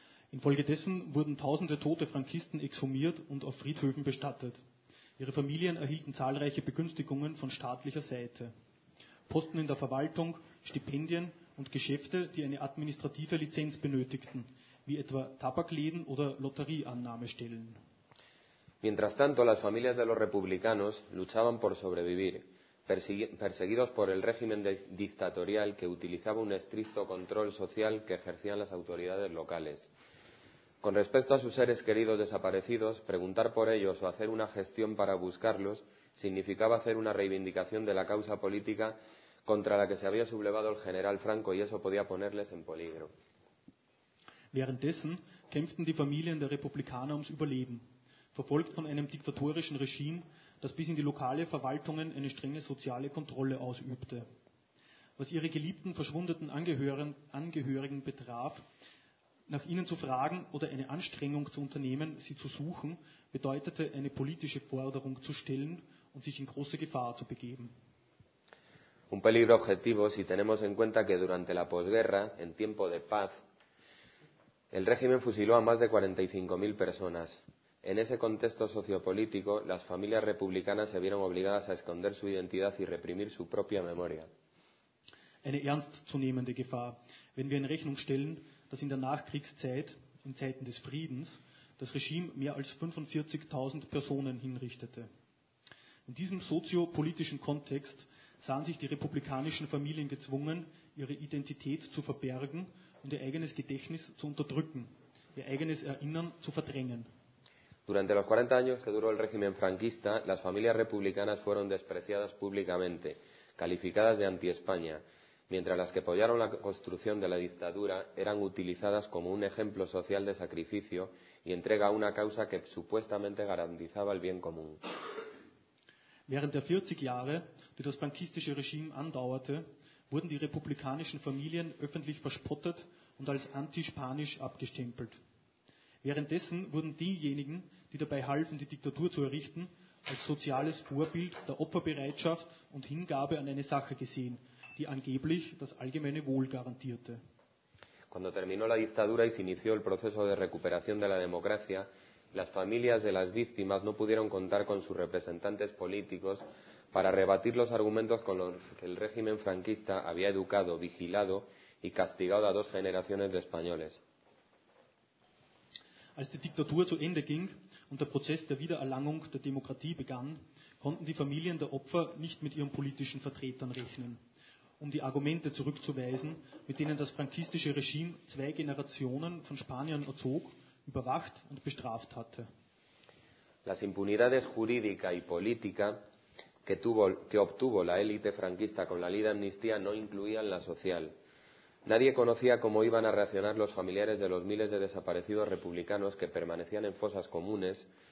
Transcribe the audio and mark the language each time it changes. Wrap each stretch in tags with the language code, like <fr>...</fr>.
<de>Infolgedessen wurden tausende tote Frankisten exhumiert und auf Friedhöfen bestattet. Ihre Familien erhielten zahlreiche Begünstigungen von staatlicher Seite. Posten in der Verwaltung, Stipendien und Geschäfte, die eine administrative Lizenz benötigten, wie etwa Tabakläden oder Lotterieannahmestellen.</de> <es>Mientras tanto, las familias de los republicanos luchaban por sobrevivir, perseguidos por el régimen dictatorial que utilizaba un estricto control social que ejercían las autoridades locales. Con respecto a sus seres queridos desaparecidos, preguntar por ellos o hacer una gestión para buscarlos significaba hacer una reivindicación de la causa política contra la que se había sublevado el general Franco, y eso podía ponerles en peligro.</es> <de>Währenddessen kämpften die Familien der Republikaner ums Überleben, verfolgt von einem diktatorischen Regime, das bis in die lokale Verwaltungen eine strenge soziale Kontrolle ausübte. Was ihre geliebten verschwundenen Angehörigen betraf, nach ihnen zu fragen oder eine Anstrengung zu unternehmen, sie zu suchen, bedeutete eine politische Forderung zu stellen und sich in große Gefahr zu begeben.</de> <es>Un peligro objetivo si tenemos en cuenta que durante la posguerra, en tiempo de paz, el régimen fusiló a más de 45.000 personas. En ese contexto sociopolítico, las familias republicanas se vieron obligadas a esconder su identidad y reprimir su propia memoria.</es> <de>Eine ernstzunehmende Gefahr, wenn wir in Rechnung stellen, dass in der Nachkriegszeit, in Zeiten des Friedens, das Regime mehr als 45.000 Personen hinrichtete. In diesem soziopolitischen Kontext sahen sich die republikanischen Familien gezwungen, ihre Identität zu verbergen und ihr eigenes Gedächtnis zu unterdrücken, ihr eigenes Erinnern zu verdrängen.</de> <es>Durante los 40 años que duró el régimen franquista, las familias republicanas fueron despreciadas públicamente, calificadas de anti-España, mientras las que apoyaron la construcción de la dictadura eran utilizadas como un ejemplo social de sacrificio y entrega a una causa que supuestamente garantizaba el bien común.</es> <de>Während der 40 Jahre, die das frankistische Regime andauerte, wurden die republikanischen Familien öffentlich verspottet und als antispanisch abgestempelt. Währenddessen wurden diejenigen, die dabei halfen, die Diktatur zu errichten, als soziales Vorbild der Opferbereitschaft und Hingabe an eine Sache gesehen, die angeblich das allgemeine Wohl garantierte.</de> <es>Cuando terminó la dictadura y se inició el proceso de recuperación de la democracia, las familias de las víctimas no pudieron contar con sus representantes políticos para rebatir los argumentos con los que el régimen franquista había educado, vigilado y castigado a dos generaciones de españoles.</es> <de>Als die Diktatur zu Ende ging und der Prozess der Wiedererlangung der Demokratie begann, konnten die Familien der Opfer nicht mit ihren politischen Vertretern rechnen, um die Argumente zurückzuweisen, mit denen das frankistische Regime zwei Generationen von Spaniern erzog, überwacht und bestraft hatte.</de> <es>Las impunidades jurídica y política que obtuvo la élite franquista con la ley de amnistía no incluían la social. Nadie conocía cómo iban a reaccionar los familiares de los miles de desaparecidos republicanos que permanecían en fosas comunes.</es>